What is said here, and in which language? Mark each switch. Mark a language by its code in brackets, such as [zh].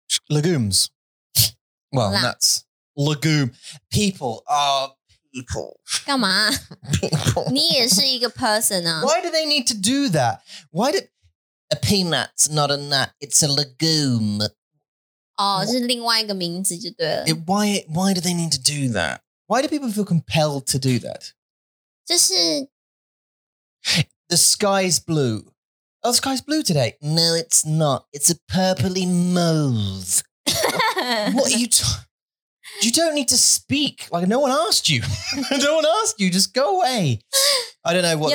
[en] Legumes. Well, nuts. Legume. People are people. [zh] 干嘛?你也是一个 person 啊? [en] Why do they need to do that? Why did a peanut's not a nut, it's a legume. [zh] 哦,这是另外一个名字就对了。 [en] Why do they need to do that? Why do people feel compelled to do that? [zh] 就是... [en] The sky's blue. Oh, the sky's blue today. No, it's not. It's a purpley mauve. What are you talking? You don't need to speak. Like, no one asked you. No one asked you. Just go away. I don't know what